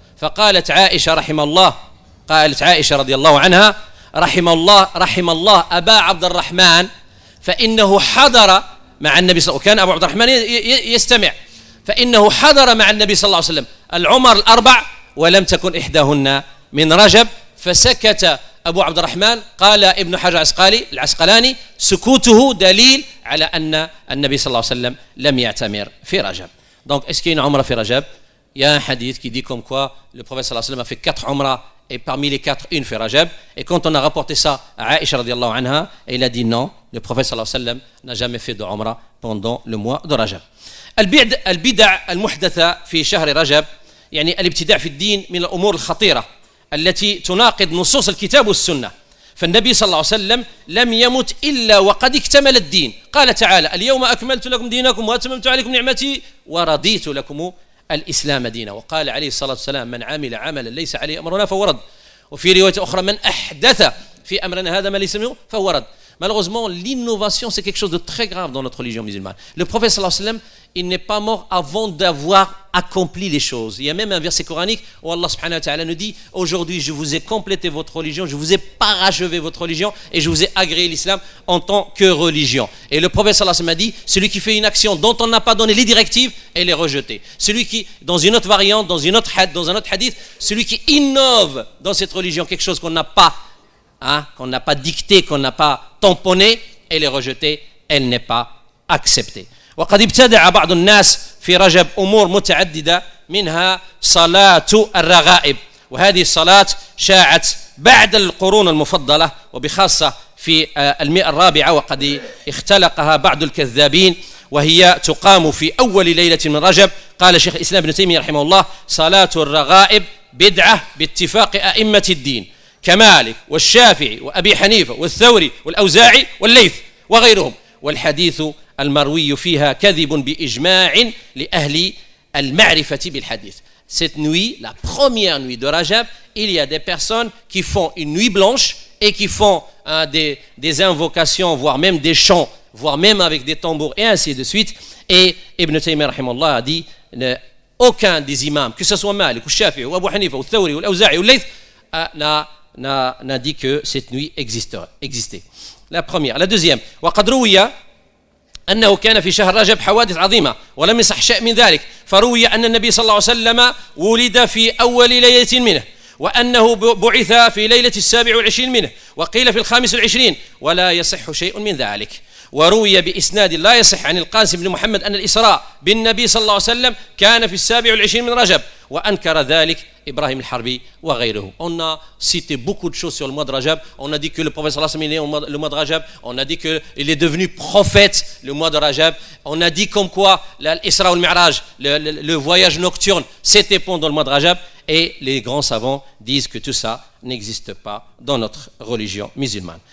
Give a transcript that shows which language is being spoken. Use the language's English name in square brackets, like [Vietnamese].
[Arabic] فقالت عائشة رحم الله، قالت عائشة رضي الله عنها رحم الله أبا عبد الرحمن، فإنه حضر مع النبي صلى الله عليه وسلم، وكان أبو عبد الرحمن يستمع، فإنه حضر مع النبي صلى الله عليه وسلم العمر 4 ولم تكن إحداهن من رجب. فسكت أبو عبد الرحمن. قال ابن حجر العسقلاني سكوته دليل على أن النبي صلى الله عليه وسلم لم يعتمر في رجب. دونك إسكين عمر في رجب. [French] Il y a un hadith qui dit comme quoi le prophète sallallahu alayhi wa sallam a fait 4 umrah et parmi les 4, une fait Rajab. Et quand on a rapporté ça à Aïcha radiallahu anha, il a dit non, le prophète sallallahu alayhi wa sallam n'a jamais fait de umrah pendant le mois de Rajab. [Arabic] Al-bid'a al-muhdatha fi shahri Rajab, yani al-ibtida' fi d-din min al-umur al-khatira allati tunaqid nusus al-kitab wa-sunnah. فالنبي صلى الله عليه وسلم لم يمت إلا وقد اكتمل الدين. قال تعالى اليوم أكملت لكم دينكم وأتممت عليكم نعمتي ورضيت لكم الإسلام دينا. وقال عليه الصلاة والسلام من عمل عملا ليس عليه أمرنا فهو رد. وفي رواية أخرى من أحدث في أمرنا هذا ما ليس منه فهو رد. [French] Malheureusement, l'innovation c'est quelque chose de très grave dans notre religion musulmane. Le prophète sallallahu alayhi wa sallam, il n'est pas mort avant d'avoir accompli les choses. Il y a même un verset coranique où Allah subhanahu wa ta'ala nous dit aujourd'hui je vous ai complété votre religion, je vous ai parachevé votre religion et je vous ai agréé l'islam en tant que religion. Et le prophète sallallahu alayhi wa sallam a dit celui qui fait une action dont on n'a pas donné les directives, elle est rejetée. Celui qui, dans une autre variante, dans un autre hadith, celui qui innove dans cette religion quelque chose qu'on n'a pas qu'on n'a pas dicté, qu'on n'a pas tamponné, elle est rejetée, elle n'est pas acceptée. [Arabic] وقد ابتدع بعض الناس في رجب أمور متعددة منها صلاة الرغائب وهذه الصلاة شاعت بعد القرون المفضلة وبخاصة في المئة الرابعة وقد اختلقها بعض الكذابين وهي تقام في أول ليلة من رجب. قال شيخ الإسلام ابن تيمية رحمه الله صلاة الرغائب بدعة باتفاق أئمة الدين كمالك والشافعي وأبي حنيفة والثوري والأوزاعي والليث وغيرهم، والحديث المروي فيها كذب بإجماع لأهل المعرفة بالحديث. [French] Cette nuit, la première nuit de Rajab, il y a des personnes qui font une nuit blanche et qui font des invocations, voire même des chants, voire même avec des tambours et ainsi de suite. Et Ibn Taymiyyah rahimahullah a dit, aucun des imams, que ce soit Malik ou Shafi ou Abu Hanifa ou Thawri ou l'Auza'i ou l'Layth, n'a dit que cette nuit existait. La première. La deuxième. [Arabic] وقد روي أنه كان في شهر رجب حوادث عظيمة ولم يصح شيء من ذلك. فروي أن النبي صلى الله عليه وسلم ولد في أول ليلة منه، وأنه بعث في ليلة 27 منه، وقيل في 25، ولا يصح شيء من ذلك. وروي بإسناد لا يصح عن القاسم بن محمد أن الإسراء بالنبي صلى الله عليه وسلم كان في 27 من رجب، وأنكر ذلك Ibrahim al-Harbi ou Aghiru. [French] On a cité beaucoup de choses sur le mois de Rajab. On a dit que le prophète sallallahu alayhi wa sallam est né le mois de Rajab. On a dit qu'il est devenu prophète le mois de Rajab. On a dit comme quoi l'Isra ou le Mi'raj, le voyage nocturne, c'était pendant le mois de Rajab. Et les grands savants disent que tout ça n'existe pas dans notre religion musulmane.